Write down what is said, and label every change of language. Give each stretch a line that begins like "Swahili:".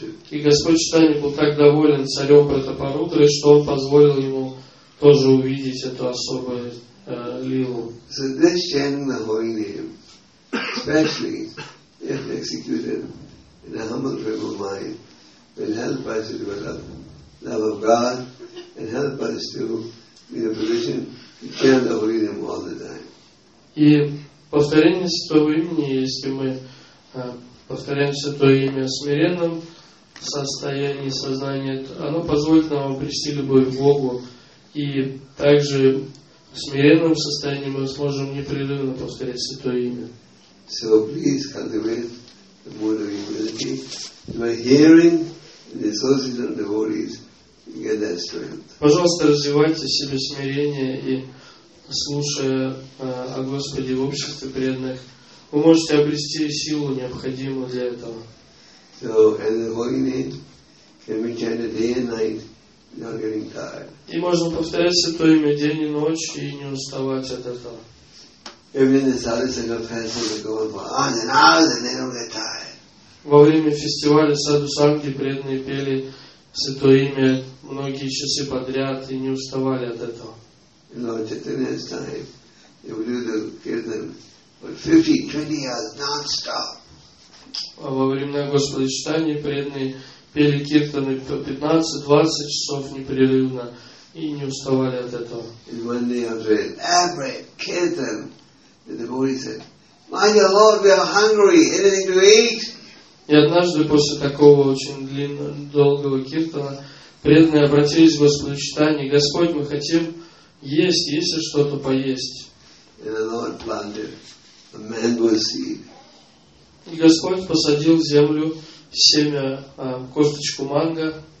Russian: И Господь Читания был так доволен царем Пратапарудрой, что он позволил ему тоже увидеть эту особую лилу.
English: So this chanting the holy name, especially if executed in a humble frame of mind, will help us to develop love of God and help us to be in a position to chant the holy name all the time.
Russian: И повторение Святого Имени, если мы повторяем Святое Имя смиренным состоянии сознания, оно позволит нам обрести любовь к Богу. И также в смиренном состоянии мы сможем непрерывно повторять Святое Имя.
English: So please cultivate the mood of humility. By hearing the associates of devotees, you get that strength.
Russian: Пожалуйста, развивайте в себе смирение и, слушая о Господе в обществе преданных, вы можете обрести силу, необходимую для этого.
English: So, and the holy name, and we chant it day and night, not getting tired.
Russian: И можно повторять святое имя день и ночь и не уставать от этого.
English: Even the Sadhusanga festival is going for hours and they don't get tired.
Russian: Во время фестиваля Садхусанги преданные пели святое имя многие часы подряд и не уставали от этого.
English: In Lord Chaitanya's time, they would do the kirtan for 15-20 hours non-stop.
Russian: Во времена Господа Читания преданные пели киртаны по 15-20 часов непрерывно и не уставали от этого.
English: And one day I was reading every kirtan, the devotee said, "My dear Lord, we are hungry. Anything to eat?"
Russian: И однажды после такого очень длинного, долгого киртана преданные обратились к Господу Читания: "Господь, мы хотим есть, есть ли что-то поесть?"
English: And the Lord planted a mango seed.
Russian: И Господь посадил в землю семя, косточку манго.